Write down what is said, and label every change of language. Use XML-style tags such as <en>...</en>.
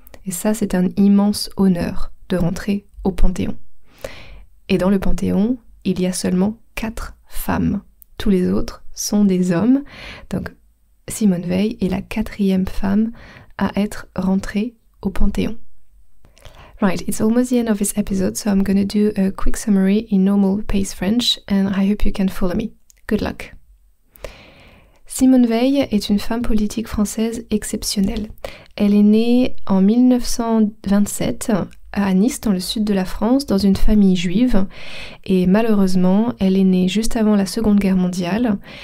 <fr>Et ça, c'est un immense honneur de rentrer au Panthéon. Et dans le Panthéon, il y a seulement 4 femmes. Tous les autres sont des hommes. Donc, Simone Veil est la 4e femme à être rentrée au Panthéon.</fr> <en>Right, it's almost the end of this episode, so I'm gonna do a quick summary in normal pace French, and I hope you can follow me. Good luck.</en> <fr>Simone Veil est une femme politique française exceptionnelle. Elle est née en 1927 à Nice, dans le sud de la France, dans une famille juive. Et malheureusement, elle est née juste avant la Seconde Guerre mondiale.</fr>